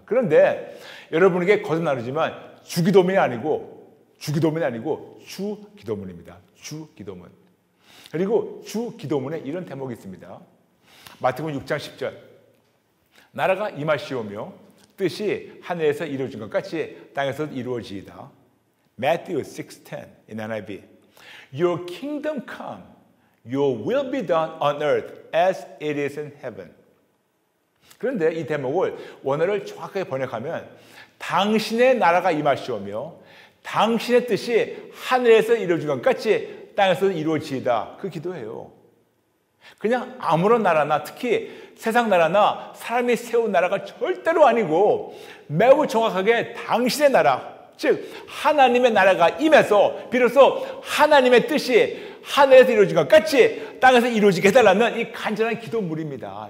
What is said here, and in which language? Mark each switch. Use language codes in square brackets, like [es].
[ko] 그런데 여러분에게 거듭나르지만 주 기도문이 아니고 주 기도문입니다. 주 기도문. 그리고 주 기도문에 이런 대목이 있습니다. 마태복음 6장 10절 나라가 임하시오며 뜻이 하늘에서 이루어진 것 같이 땅에서도 이루어지이다. [en] Matthew 6:10 in NIV Your kingdom come, your will be done on earth as it is in heaven. [ko] 그런데 이 대목을 원어를 정확하게 번역하면 당신의 나라가 임하시오며 당신의 뜻이 하늘에서 이루어진 것 같이 땅에서 이루어지이다. 그 기도해요. 그냥 아무런 나라나 특히 세상 나라나 사람이 세운 나라가 절대로 아니고 매우 정확하게 당신의 나라, 즉 하나님의 나라가 임해서 비로소 하나님의 뜻이 하늘에서 이루어진 것 같이 땅에서 이루어지게 해달라는 이 간절한 기도물입니다.